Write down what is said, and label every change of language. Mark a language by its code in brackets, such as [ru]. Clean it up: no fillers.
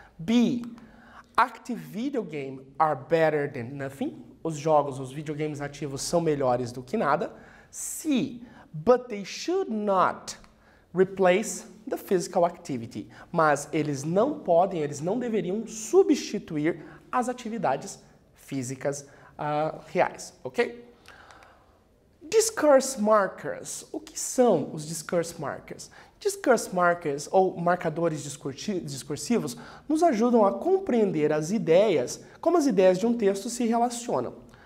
[en] B, active video games are better than nothing. [pt] Os jogos, os videogames ativos são melhores do que nada. [en] C, but they should not replace the physical activity. [pt] Mas eles não podem, eles não deveriam substituir as atividades físicas reais, ok? Discourse markers. O que são os discourse markers? Discourse markers, ou marcadores discursivos, nos ajudam a compreender as ideias, como as ideias de um texto se relacionam.